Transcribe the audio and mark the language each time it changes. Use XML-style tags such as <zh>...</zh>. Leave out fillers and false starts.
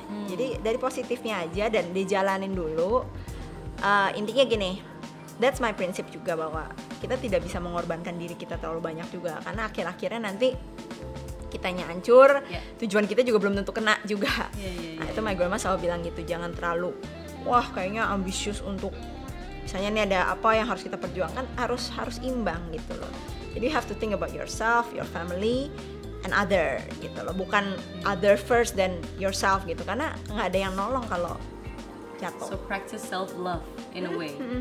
<id>Jadi dari positifnya aja dan dijalanin dulu. Intinya gini,</id> <en>that's my</en> <id>prinsip juga bahwa kita tidak bisa mengorbankan diri kita terlalu banyak juga, karena akhir-akhirnya nanti kitanya hancur, tujuan kita juga belum tentu kena juga. Itu</id> <en>my grandma</en> <id>selalu bilang gitu, jangan terlalu, wah kayaknya ambisius untuk misalnya ini ada apa yang harus kita perjuangkan, harus imbang gitu loh. Jadi</id> <en>you have to think about yourself, your family, and other</en> <id>gitu loh. Bukan</id> <en>other first then yourself</en> <id>gitu, karena nggak ada yang nolong kalau jatuh.</id> <en>So practice self love in a way.</en>